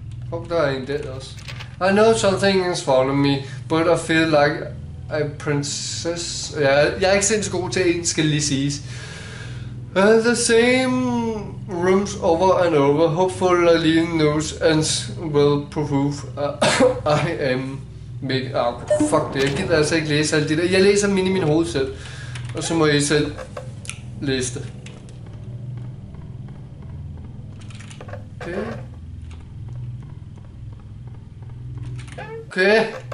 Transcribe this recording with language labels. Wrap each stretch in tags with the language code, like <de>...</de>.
<da>Kom, der er en der også.</da> <en>I know something is following me, but I feel like a princess.</en> <da>Jeg er ikke sindssygt god til en, skal lige siges.</da> <en>The same rooms over and over. Hopefully Aline knows and will prove I am make up.</en> <da>Fuck det, jeg gider altså ikke læse alt det der. Jeg læser min i min hoved selv. Og så må I selv læse det. Okay.</da>